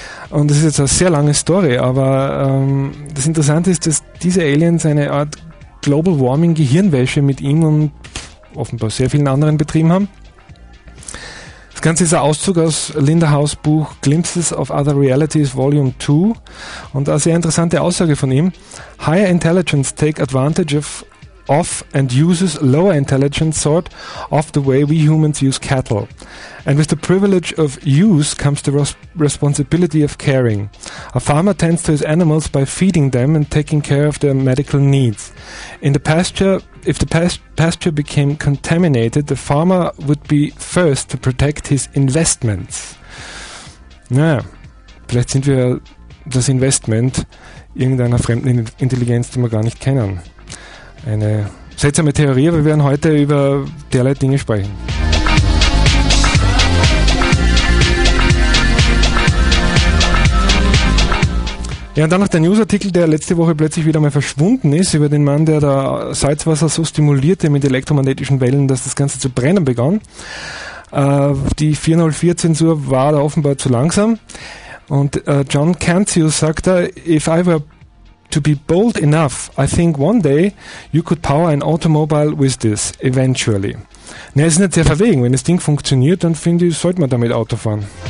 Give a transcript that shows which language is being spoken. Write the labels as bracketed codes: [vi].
[de] Und das ist jetzt eine sehr lange Story, aber das Interessante ist, dass diese Aliens eine Art Global Warming Gehirnwäsche mit ihm und offenbar sehr vielen anderen betrieben haben. Das Ganze ist ein Auszug aus Linda House Buch Glimpses of Other Realities Volume 2 und eine sehr interessante Aussage von ihm. [en] Higher intelligence take advantage of and uses lower intelligence sort of the way we humans use cattle. And with the privilege of use comes the responsibility of caring. A farmer tends to his animals by feeding them and taking care of their medical needs. In the pasture, if the pasture became contaminated, the farmer would be first to protect his investments. [de] Naja, vielleicht sind wir das Investment irgendeiner fremden Intelligenz, die wir gar nicht kennen. Eine seltsame Theorie, aber wir werden heute über derlei Dinge sprechen. Ja, und dann noch der Newsartikel, der letzte Woche plötzlich wieder mal verschwunden ist, über den Mann, der da Salzwasser so stimulierte mit elektromagnetischen Wellen, dass das Ganze zu brennen begann. Die 404-Zensur war da offenbar zu langsam. Und John Cantius sagt da, [en] if I were to be bold enough, I think one day you could power an automobile with this, eventually. [de] Ne, es ist nicht sehr verwegen. Wenn das Ding funktioniert, dann finde ich, sollte man damit Auto fahren.